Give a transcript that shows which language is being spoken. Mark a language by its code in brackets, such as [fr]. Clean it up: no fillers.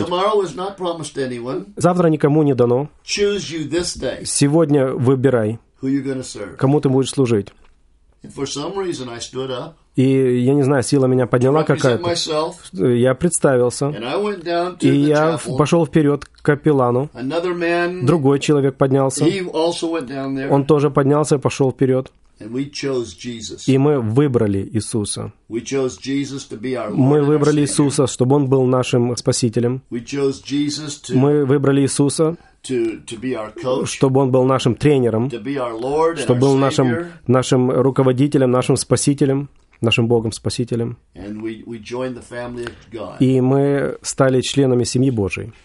[en] Tomorrow is not promised anyone. [ru] Завтра никому не дано. [en] Choose you this day. [ru] Сегодня выбирай, [en] who you're gonna serve. [ru] Кому ты будешь служить. [en] And for some reason I stood up. [ru] И я не знаю, сила меня подняла какая-то. [en] Myself, [ru] я представился. [en] And I went down to [ru] и я пошел вперед к капеллану. [en] Another man, [ru] другой человек поднялся. [en] He also went down there. [ru] Он тоже поднялся и пошел вперед. [en] And we chose Jesus. [ru] И мы выбрали Иисуса. [en] We chose Jesus to be our Lord. [ru] Мы выбрали Иисуса, чтобы Он был нашим Спасителем. [en] We chose Jesus to. [ru] Мы выбрали Иисуса, [en] to be our coach. [ru] Чтобы Он был нашим тренером. [en] To be our Lord. [ru] Чтобы был нашим руководителем, нашим Спасителем, нашим Богом Спасителем. [en] And we joined the family of God. [ru] И мы стали членами семьи Божией.